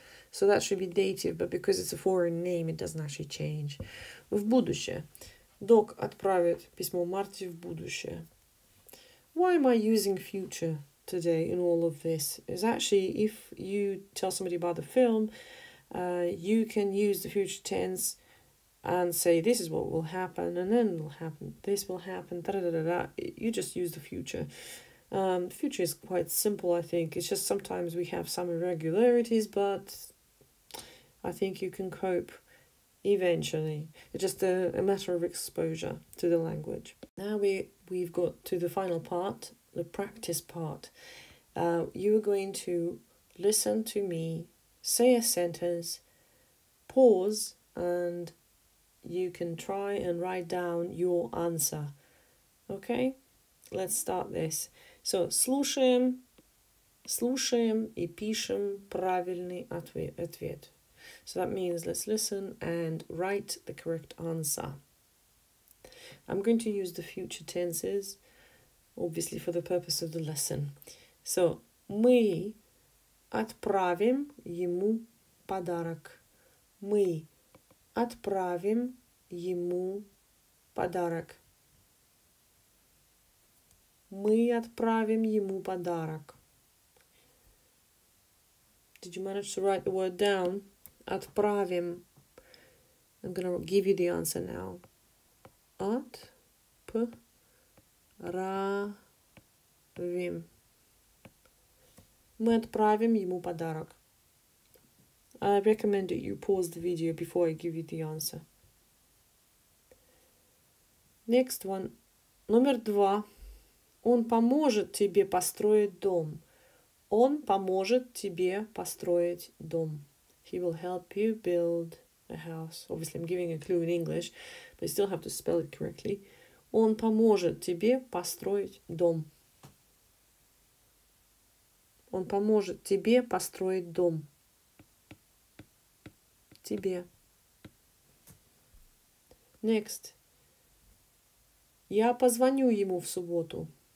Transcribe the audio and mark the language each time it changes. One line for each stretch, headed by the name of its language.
English: So that should be dative, but because it's a foreign name, it doesn't actually change.
Russian: В будущее. Док отправит письмо Марти в будущее.
English: Why am I using future today in all of this? It's actually, if you tell somebody about the film, you can use the future tense and say, this is what will happen, and then it will happen, this will happen, da-da-da-da-da. You just use the future. The future is quite simple, I think. It's just sometimes we have some irregularities, but I think you can cope eventually. It's just a matter of exposure to the language. Now we've got to the final part, the practice part. You are going to listen to me, say a sentence, pause, and you can try and write down your answer. Okay? Let's start this.
Russian: So, слушаем и пишем правильный ответ.
English: So that means let's listen and write the correct answer. I'm going to use the future tenses, obviously for the purpose of the lesson.
Russian: So, мы отправим ему подарок. Мы отправим ему подарок. Мы отправим ему подарок.
English: Did you manage to write the word down?
Russian: Отправим.
English: I'm going to give you the answer now.
Russian: Отправим. Мы отправим ему подарок.
English: I recommend that you pause the video before I give you the answer. Next one.
Russian: Номер два. Он поможет тебе построить дом. Он поможет тебе построить дом.
English: He will help you build a house. Obviously, I'm giving a clue in English, but you still have to spell it correctly.
Russian: Он поможет тебе построить дом. Он поможет тебе построить дом. Тебе.
English: Next.
Russian: Я позвоню ему в субботу.